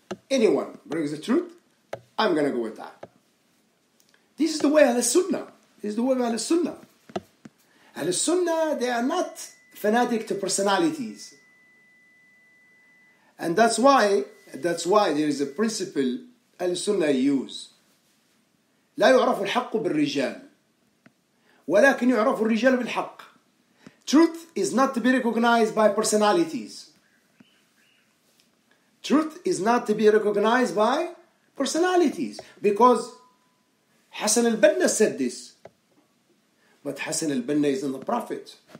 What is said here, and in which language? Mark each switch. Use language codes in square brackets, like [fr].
[en] Anyone brings the truth, I'm gonna go with that. This is the way Al-Sunnah. This is the way of Al-Sunnah. Al-Sunnah, they are not fanatic to personalities. And that's why there is a principle Al-Sunnah use. [ar] لا يعرف الحق بالرجال ولكن يعرف الرجال بالحق. [en] Truth is not to be recognized by personalities. Truth is not to be recognized by personalities. Because Hassan al-Banna said this. But Hassan al-Banna is not a prophet.